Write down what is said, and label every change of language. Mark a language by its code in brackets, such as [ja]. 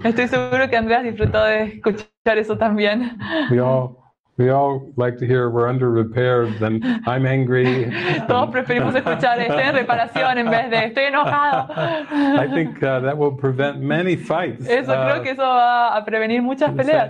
[es] Estoy seguro que Andrés disfrutó de escuchar eso también. [en] We all like to hear we're under repair than I'm angry. [es] Todos preferimos escuchar estoy en reparación en vez de estoy enojado. [en] I think that will prevent many fights. [es] Eso creo que eso va a prevenir muchas peleas.